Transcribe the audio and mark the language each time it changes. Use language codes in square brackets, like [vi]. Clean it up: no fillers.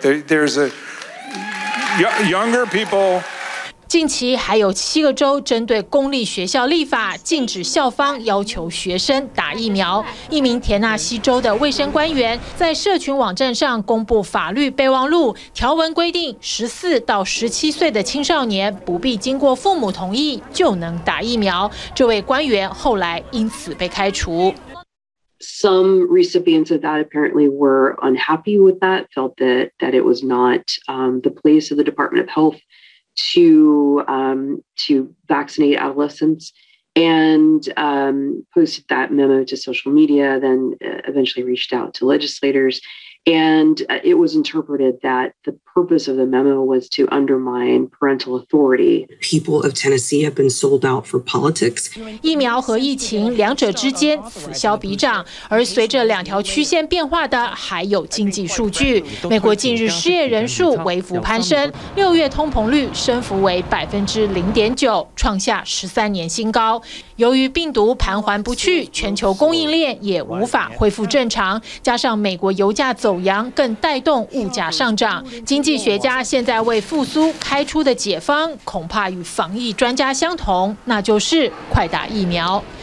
[en] There's a younger people. [zh] 近期还有7个州针对公立学校立法禁止校方要求学生打疫苗。一名田纳西州的卫生官员在社群网站上公布法律备忘录，条文规定14到17岁的青少年不必经过父母同意就能打疫苗。这位官员后来因此被开除。 [en] Some recipients of that apparently were unhappy with that, felt that it was not the place of the Department of Health. To vaccinate adolescents and posted that memo to social media, then eventually reached out to legislators And it was interpreted that the purpose of the memo was to undermine parental authority. People of Tennessee have been sold out for politics. [zh] 疫苗和疫情两者之间此消彼长，而随着两条曲线变化的还有经济数据。美国近日失业人数微幅攀升，六月通膨率升幅为0.9%，创下13年新高。由于病毒盘桓不去，全球供应链也无法恢复正常，加上美国油价走扬更带动物价上涨，经济学家现在为复苏开出的解方恐怕与防疫专家相同，那就是快打疫苗。